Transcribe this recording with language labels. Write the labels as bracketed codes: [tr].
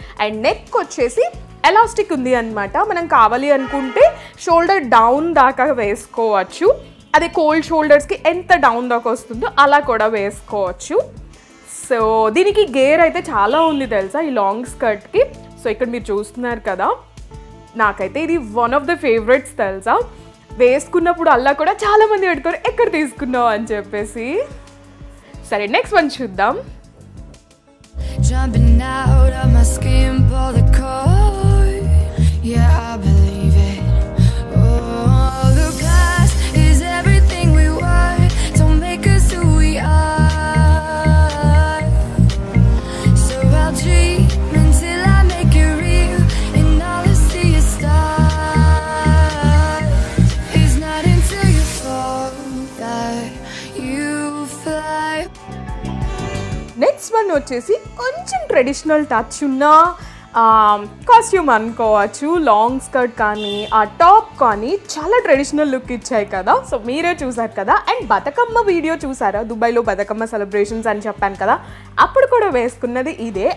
[te] And neck వచ్చేసి elastic ఉంది అనమాట, మనం కావాలి అనుకుంటే షోల్డర్ డౌన్ దాకా వేసుకోవచ్చు, అదే కోల్డ్ షోల్డర్స్కి ఎంత డౌన్ దాకా వస్తుందో అలా కూడా వేసుకోవచ్చు. సో దీనికి గేర్ అయితే చాలా ఉంది తెలుసా ఈ లాంగ్ స్కర్ట్కి, సో ఇక్కడ మీరు చూస్తున్నారు కదా, నాకైతే ఇది [en] one of the favourites [te] తెలుసా, వేసుకున్నప్పుడు అలా కూడా చాలామంది అడుగుతారు ఎక్కడ తీసుకున్నావు అని చెప్పేసి. సరే నెక్స్ట్ వన్ చూద్దాం. [en] Jumping out of my skin, pull the cord. Yeah, I believe it. Oh, the past is everything we were. Don't make us who we are. So I'll dream until I make it real. And all I see is stars. It's not until you fall that you fly. Next one, which is it? [te] Traditional touch ఉన్న costume అనుకోవచ్చు, long skirt కానీ ఆ top కానీ చాలా traditional look ఇచ్చాయి కదా, so మీరే చూసారు కదా. అండ్ బతుకమ్మ వీడియో చూసారా, దుబాయ్లో బతుకమ్మ సెలబ్రేషన్స్ అని చెప్పాను కదా, అప్పుడు కూడా వేసుకున్నది ఇదే.